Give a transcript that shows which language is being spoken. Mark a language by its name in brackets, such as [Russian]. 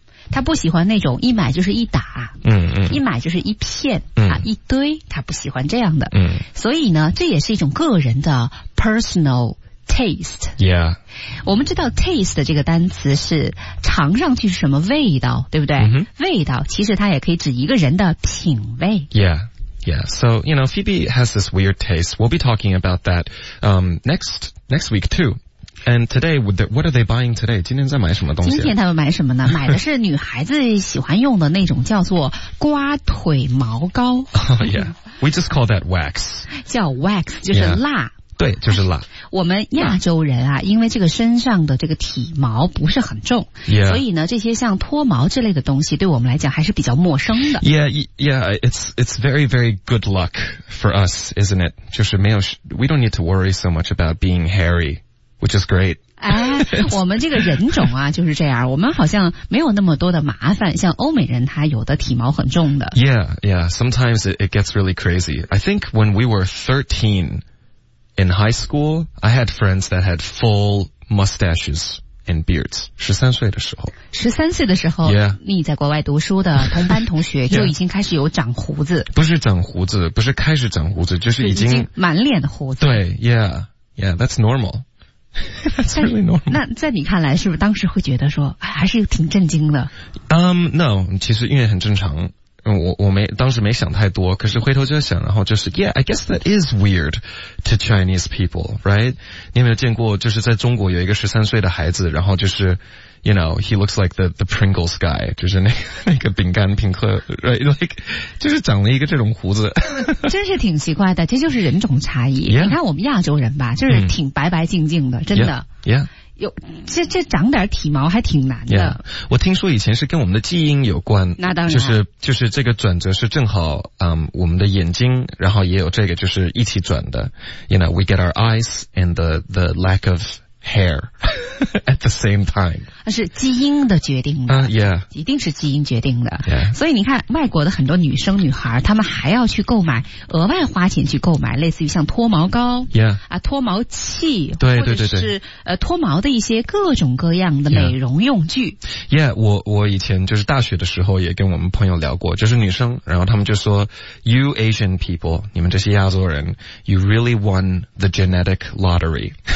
[Chinese] 他不喜欢那种一买就是一打、一买就是一片、一堆他不喜欢这样的、所以呢这也是一种个人的 [English] personal taste、 [Chinese] 我们知道 taste 这个单词是尝上去是什么味道对不对、味道其实它也可以指一个人的品味 [English] Yeah, so, you know, Phoebe has this weird taste. We'll be talking about that、next week too. And today, what are they buying today? [Chinese] 今天在买什么东西、今天他们买什么呢？买的是女孩子喜欢用的那种叫做刮腿毛膏。 [English] Oh, yeah. We just call that wax. [Chinese] 叫 wax, 就是蜡。Yeah. 对就是辣我们亚洲人啊因为这个身上的这个体毛不是很重、所以呢这些像脱毛之类的东西对我们来讲还是比较陌生的 [English] it's very very good luck for us isn't it [Chinese] 就是没有 [English] we don't need to worry so much about being hairy which is great [Chinese] 哎，我们这个人种啊就是这样我们好像没有那么多的麻烦像欧美人他有的体毛很重的 [English] sometimes it gets really crazy I think when we were 13In high school, I had friends that had full mustaches and beards. [Chinese] 13岁的时候。 13岁的时候、 [English] yeah. [Chinese] 你在国外读书的同班同学就已经开始有长胡子。 [English] yeah. [Chinese] 不是长胡子不是开始长胡子就是已经满脸的胡子。 [English] 对 that's normal. That's really normal. [Chinese] 那在你看来是不是当时会觉得说还是挺震惊的 No, 其实因为很正常。我当时没想太多可是回头就想然后就是 [English] I guess that is weird to Chinese people, right? [Chinese] 你有没有见过就是在中国有一个13岁的孩子然后就是 [English] you know, he looks like the Pringles guy, [Chinese] 就是那个饼干平克 right? Like, 就是长了一个这种胡子。真是挺奇怪的这就是人种差异。 [English] Yeah. [Chinese] 你看我们亚洲人吧就是挺白白净净的真的。这长点体毛还挺难的。 [English] Yeah. [Chinese] 我听说以前是跟我们的基因有关。那当然。就是这个转折是正好我们的眼睛然后也有这个就是一起转的。 [English] You know, we get our eyes and the lack of hair at the same time. [Chinese] 那是基因的决定的。一定是基因决定的。 [English] Yeah. [Chinese] 所以你看外国的很多女生女孩她们还要去购买额外花钱去购买类似于像脱毛膏。脱毛器。对。是脱毛的一些各种各样的美容用具。我以前就是大学的时候也跟我们朋友聊过就是女生然后她们就说 , [English] you Asian people, [Chinese] 你们这些亚洲人 , [English] you really won the genetic lottery.